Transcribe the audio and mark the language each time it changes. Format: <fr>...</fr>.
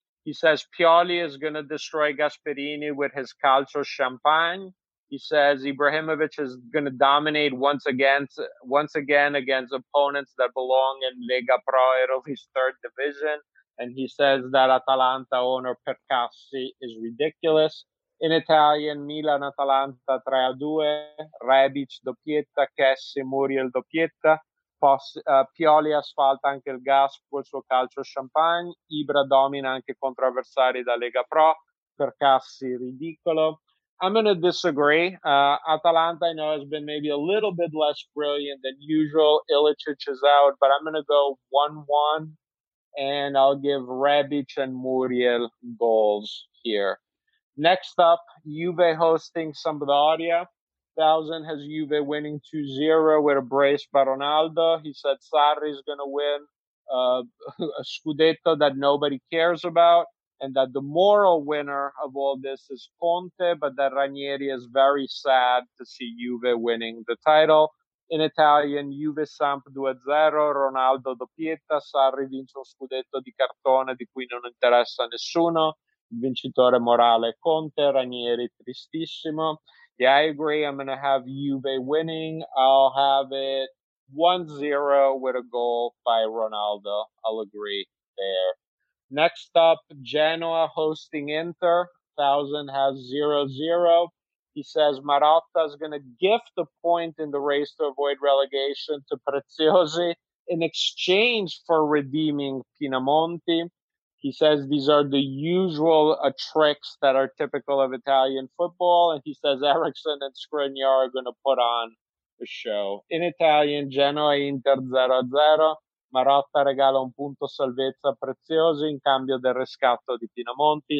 <en>He says Pioli is going to destroy Gasperini with his calcio champagne. He says Ibrahimovic is going to dominate once again against opponents that belong in Lega Pro, Italy's third division. And he says that Atalanta owner Percassi is ridiculous. In Italian,</en> <it>Milan-Atalanta 3-2, Rebic doppietta, Cassi, Muriel doppietta, Pioli asfalta anche il gas col suo calcio champagne, Ibra domina anche contro avversari da Lega Pro, Percassi ridicolo.</it> <en>I'm going to disagree. Atalanta, I know, has been maybe a little bit less brilliant than usual. Iličić is out, but I'm going to go 1-1, and I'll give Rebic and Muriel goals here. Next up, Juve hosting Sampdoria. Thousand has Juve winning 2-0 with a brace by Ronaldo. He said Sarri is going to win a Scudetto that nobody cares about, and that the moral winner of all this is Conte, but that Ranieri is very sad to see Juve winning the title. In Italian,</en> <it>Juve Samp 2-0, Ronaldo doppietta, Sarri vince un Scudetto di cartone di cui non interessa nessuno. Vincitore morale Conte, Ranieri tristissimo.</it> <en>Yeah, I agree. I'm going to have Juve winning. I'll have it 1-0 with a goal by Ronaldo. I'll agree there. Next up, Genoa hosting Inter. Thousand has 0-0. He says Marotta is going to gift a point in the race to avoid relegation to Preziosi in exchange for redeeming Pinamonti. He says these are the usual tricks that are typical of Italian football. And he says Eriksen and Skriniar are going to put on the show. In Italian, Genoa-Inter 0-0.</en> <it>Marotta regala un punto salvezza prezioso in cambio del riscatto di Pinamonti.</it>